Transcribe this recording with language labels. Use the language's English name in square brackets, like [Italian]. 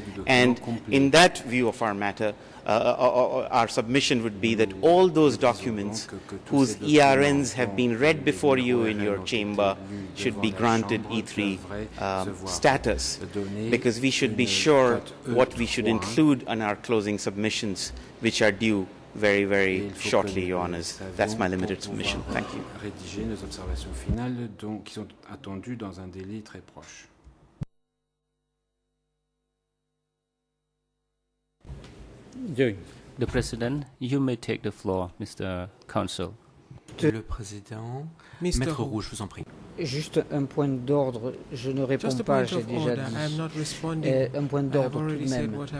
[English] And in that view of our matter, our submission would be that all those documents whose ERNs have been read before you in your chamber should be granted E3 status, because we should be sure what we should include in our closing submissions, which are due very, very shortly, Your Honours. That's my limited submission. Thank you. [French] Rédiger nos observations finales, donc qui sont attendues dans un délai très proche. Oui. [English] the President, you may take the floor, Mr. Counsel. [French] Le Président, Maître Roux, je vous en prie. Juste un point d'ordre, je ne réponds pas, j'ai déjà dit. Un point d'ordre tout de même.